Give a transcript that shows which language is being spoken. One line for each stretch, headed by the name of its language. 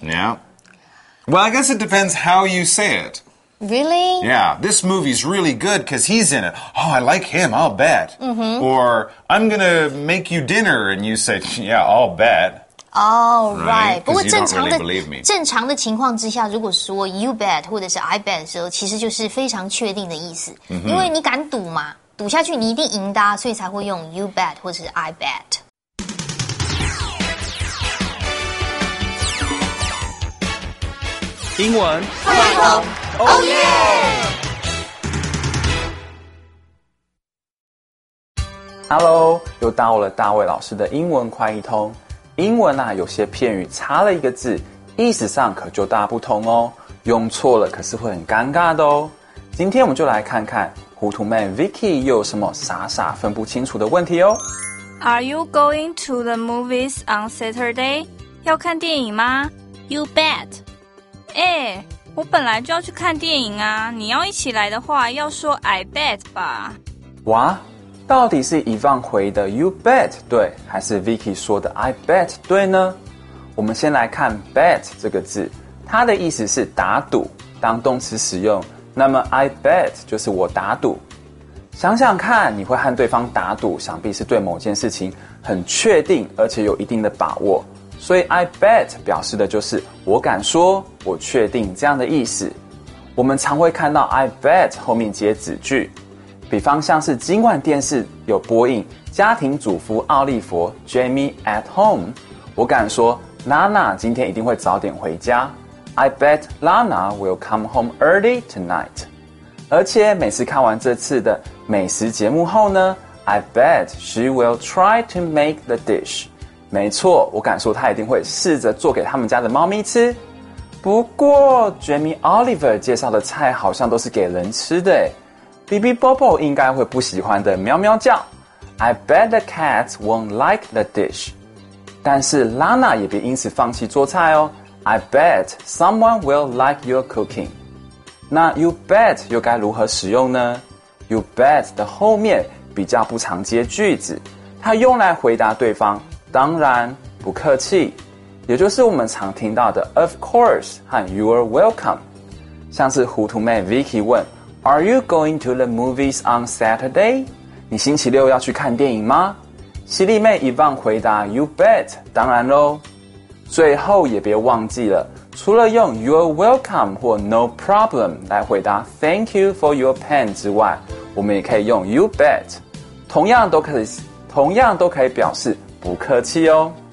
English: Yeah. Well, I guess it depends how you say it. Really? Yeah. This movie's really good because he's in it. Oh, I like him. I'll bet. Mm-hmm. Or... I'm going to make you dinner, and you say, yeah, I'll bet. Oh, right. Because you don't really believe me.
Chinese: 正常的情况之下，如果说 you bet 或者是 I bet 的时候，其实就是非常确定的意思。
English: Mm-hmm.
Chinese: 因为你敢赌嘛，赌下去你一定赢的、啊、所以才会用 you bet 或者是 I bet.
English: English. Oh, yeah!
Chinese: Hello, 又到了大卫老师的英文快译通。英文啊，有些片语差了一个字，意思上可就大不同哦。用错了可是会很尴尬的哦。今天我们就来看看糊涂妹 Vicky 又有什么傻傻分不清楚的问题哦。
English: Are you going to the movies on Saturday?
Chinese: 要看电影吗
English: ？You bet.
Chinese: 哎，我本来就要去看电影啊。你要一起来的话，要说 I bet 吧。哇。到底是 Yvonne 回的 You bet 对还是 Vicky 说的 I bet 对呢我们先来看 bet 这个字它的意思是打赌当动词使用那么 I bet 就是我打赌想想看你会和对方打赌想必是对某件事情很确定而且有一定的把握所以 I bet 表示的就是我敢说我确定这样的意思我们常会看到 I bet 后面接子句比方像是今晚电视有播映家庭主妇奥利佛 Jamie at home，我敢说 Lana 今天一定会早点回家。
English: I bet Lana will come home early tonight。
Chinese: 而且每次看完这次的美食节目后呢， I bet she will try to make the dish。没错，我敢说她一定会试着做给他们家的猫咪吃。不过 Jamie Oliver 介绍的菜好像都是给人吃的耶，Bibi Bobo 应该会不喜欢的喵喵叫。
English: I bet the cats won't like the dish。
Chinese: 但是 Lana 也别因此放弃做菜哦， I bet someone will like your cooking。那 you bet 又该如何使用呢？ You bet 的后面比较不常接句子，它用来回答对方当然、不客气，也就是我们常听到的 of course 和 you are welcome。
English: 像是糊涂妹 Vicky 问Are you going to the movies on Saturday?
Chinese: 你星期六要去看电影吗？犀利妹一棒回答 You bet, 当然咯。最后也别忘记了，除了用 You're welcome 或 No problem 来回答 Thank you for your pen 之外，我们也可以用 You bet，同样都可以表示不客气哦。